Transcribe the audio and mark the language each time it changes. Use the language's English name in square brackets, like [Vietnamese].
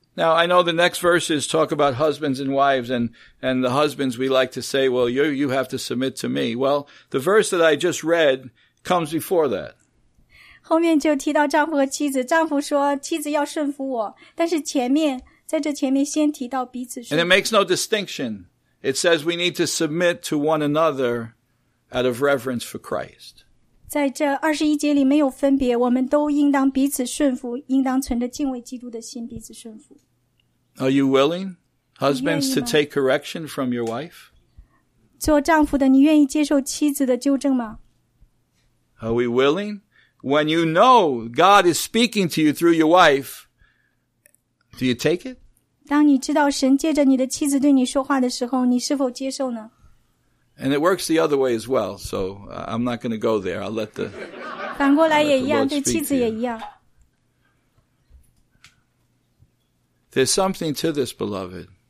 [English] Now, I know the next verses talk about husbands and wives, and the husbands we like to say, well, you have to submit to me. Well, the verse that I just read comes before that. [Chinese] 后面就提到丈夫和妻子，丈夫说妻子要顺服我，但是前面，在这前面先提到彼此顺服。 [English] And it makes no distinction. It says we need to submit to one another out of reverence for Christ. [Chinese] 在这二十一节里没有分别，我们都应当彼此顺服，应当存着敬畏基督的心彼此顺服。 [English] Are you willing, husbands, to take correction from your wife? [Chinese] 做丈夫的，你愿意接受妻子的纠正吗？ [English] Are we willing? When you know God is speaking to you through your wife, Do you take it? [Chinese] 当你知道神借着你的妻子对你说话的时候，你是否接受呢？ [English] And it works the other way as well, so I'm not going to go there. I'll let the [Chinese] 反过来也一样，对妻子也一样。 [English] There's something to this, beloved.